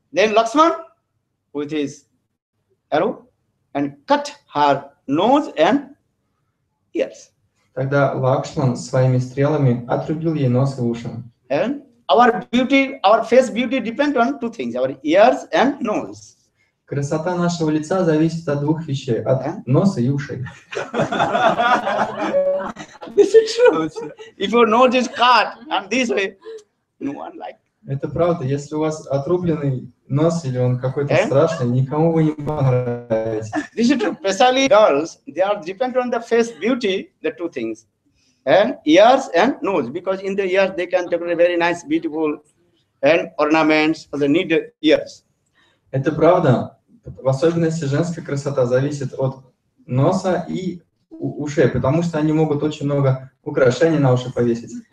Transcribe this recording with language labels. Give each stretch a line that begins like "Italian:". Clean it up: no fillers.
English: Then Lakshman with his arrow and cut her nose and ears.
Russian: Тогда Лакшман своими стрелами отрубил ей нос и уши.
English: And our beauty, our face beauty depends on two things, our ears and nose.
Russian: Красота нашего лица зависит от двух вещей, от носа и ушей.
English: This is true. If your nose is cut and this way, no one likes.
Russian: Это правда. Если у вас отрубленный нос или он какой-то страшный, никому вы не понравитесь.
English: This is true. Especially girls, they are dependent on the face beauty, the two things. And ears and nose. Because in the ears they can decorate very nice, beautiful and ornaments for the needed ears.
Russian: Это правда. В особенности женская красота зависит от носа и ушей, потому что они могут очень много украшений на уши повесить.